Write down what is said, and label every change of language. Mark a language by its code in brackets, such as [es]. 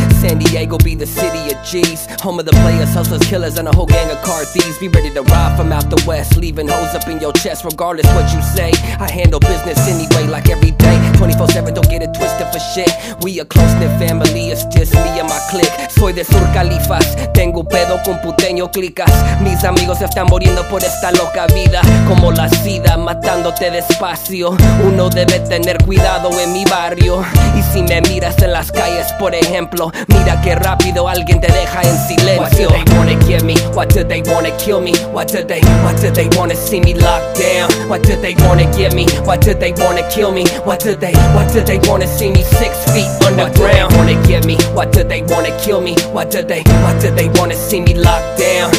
[en] San Diego be the city of G's, home of the players, hustlers, killers, and a whole gang of car thieves. Be ready to ride from out the west, leaving holes up in your chest. Regardless what you say, I handle business anyway, like every day, 24/7. Don't get it twisted for shit. We a close knit family, it's just me and my clique. [es] Soy de Sur Califas, tengo pedo con puteño clicas. Mis amigos están muriendo por esta loca vida, como la sida matándote despacio. Uno debe tener cuidado en mi barrio, y si me miras en las calles, por ejemplo, mira que rápido alguien te deja en silencio. [en] What do they wanna give me? What do they wanna kill me? What do they wanna see me locked down? What do they wanna give me? What do they wanna kill me? What do they wanna see me 6 feet underground? What do they wanna give me? What do they wanna kill me? What do they wanna see me locked down?